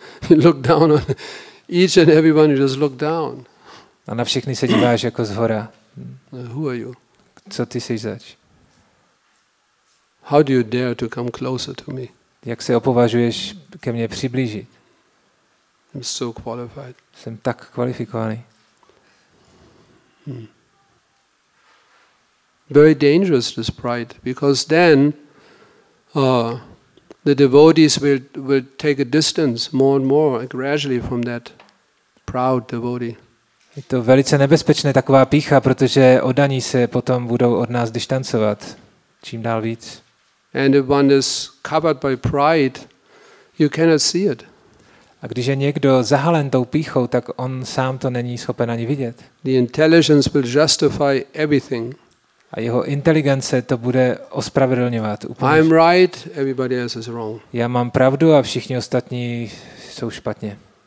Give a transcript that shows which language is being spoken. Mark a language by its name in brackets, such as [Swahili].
[English] You look down on each and everyone, you just look down. [Czech] A na všechny se díváš jako zhora. [English] Who are you? [Czech] Co ty seš zač? [English] How do you dare to come closer to me? [Czech] Jak se opovažuješ ke mně přiblížit? [English] I'm so qualified. [Czech] Jsem tak kvalifikovaný. [English] Very dangerous this pride, because then the devotees will take a distance more and more gradually from that proud devotee. [Czech] Je to velice nebezpečné taková pícha, protože oddaní se potom budou od nás distancovat čím dál víc. [English] And if one is covered by pride, you cannot see it. [Czech] A když je někdo zahalen tou pýchou, tak on sám to není schopen ani vidět. [English] The intelligence will justify everything. [Czech] A jeho inteligence to bude ospravedlňovat úplně. [English] I'm right, everybody else is wrong. [Czech] Já mám pravdu a všichni ostatní jsou špatně.